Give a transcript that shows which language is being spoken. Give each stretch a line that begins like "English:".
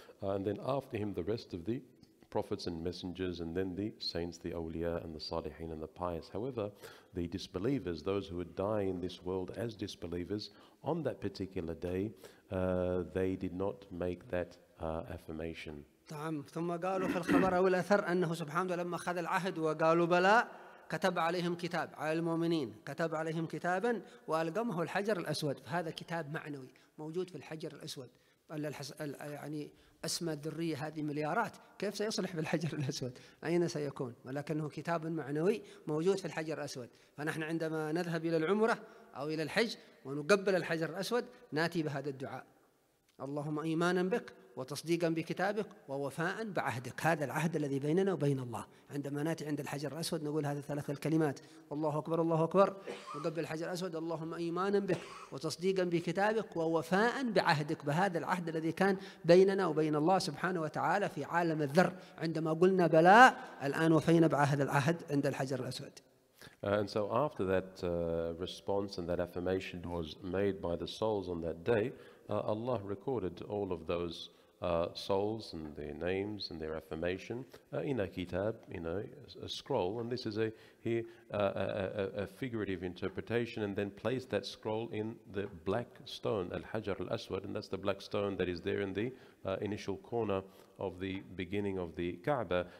English: And then after him, the rest of the prophets and messengers, and then the saints, the awliya, and the salihin, and the pious. However, the disbelievers, those who would die in this world as disbelievers, on that particular day, they did not make that affirmation.
Arabic: ثم قالوا في الخبر أو الأثر أنه سبحانه لما خذ العهد وقالوا بلاء كتب عليهم كتاب على المؤمنين، كتب عليهم كتابا وألقمه الحجر الأسود. فهذا كتاب معنوي موجود في الحجر الأسود، يعني أسمى الذرية هذه مليارات، كيف سيصلح بالحجر الأسود؟ أين سيكون؟ ولكنه كتاب معنوي موجود في الحجر الأسود. فنحن عندما نذهب إلى العمرة أو إلى الحج ونقبل الحجر الأسود ناتي بهذا الدعاء: اللهم إيمانا بك وتصديقا بكتابك ووفاء بعهدك، هذا العهد الذي بيننا وبين الله. عندما ناتي عند الحجر الأسود نقول هذه الثلاث الكلمات: الله أكبر الله أكبر، نقبل الحجر الأسود: اللهم إيمانا بك وتصديقا بكتابك ووفاء بعهدك، بهذا العهد الذي كان بيننا وبين الله سبحانه وتعالى في عالم الذر. عندما قلنا بلاء الآن وفينا بعهد العهد عند الحجر الأسود.
English: And so after that response and that affirmation was made by the souls on that day, Allah recorded all of those souls and their names and their affirmation in a kitab, in a scroll. And this is a figurative interpretation, and then placed that scroll in the black stone, al-hajar al-aswad, and that's the black stone that is there in the initial corner of the beginning of the Kaaba.